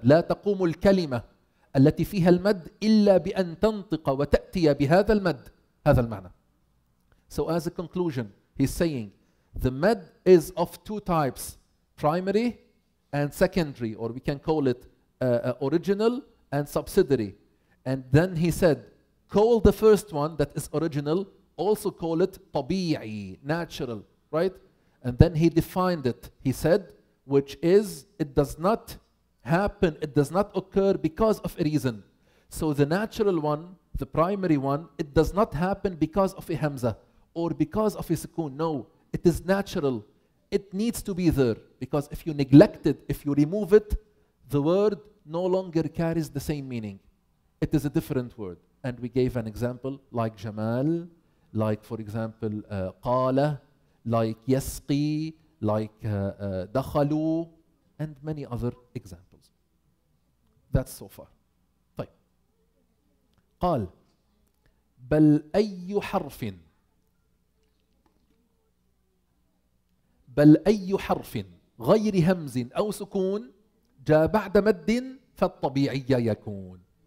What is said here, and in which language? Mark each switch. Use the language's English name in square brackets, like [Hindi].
[Arabic] لا تقوم الكلمة التي فيها المد إلا بأن تنطق وتأتي بهذا المد. هذا المعنى. [English] So as a conclusion, he's saying the med is of two types, primary and secondary, or we can call it original and subsidiary. And then he said, call the first one that is original, also call it طبيعي, natural, right? And then he defined it, he said, which is, it does not happen, it does not occur because of a reason. So the natural one, the primary one, it does not happen because of a hamza or because of a sukun. No, it is natural. It needs to be there, because if you neglect it, if you remove it, the word no longer carries the same meaning. It is a different word. And we gave an example like Jamal, like for example Qala, like Yasqi, like Dakhalu, and many other examples. That's so far. طيب. [Arabic] قال بل أي حرف, بل أي حرف غير همز أو سكون جاء بعد مد فالطبيعي يكون.